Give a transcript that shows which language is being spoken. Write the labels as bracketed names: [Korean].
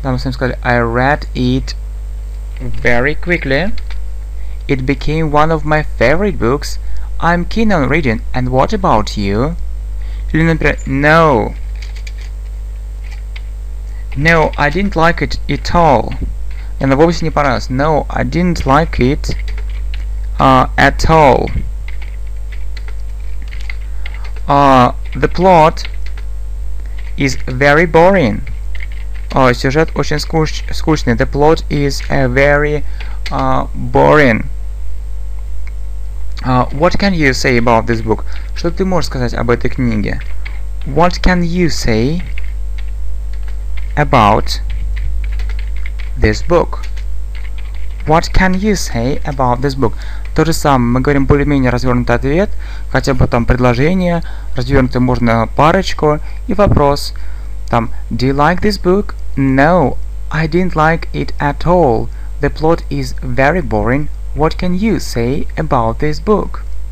[Russian] Там мы сказали, [English] I read it very quickly. It became one of my favorite books. I'm keen on reading. And what about you? [Russian] Или, например, [English] no. No, I didn't like it at all. [Russian] И она вовсе не понравилась. [English] No, I didn't like it at all. The plot is very boring. [Russian] Сюжет очень скучный. [English] The plot is very boring. What can you say about this book? [Russian] Что ты можешь сказать об этой книге? [English] What can you say about this book? What can you say about this book? [Russian] То же самое, мы говорим более-менее развернутый ответ, хотя бы там предложение, развернутый можно парочку, и вопрос. Там, [English] do you like this book? No, I didn't like it at all. The plot is very boring. What can you say about this book?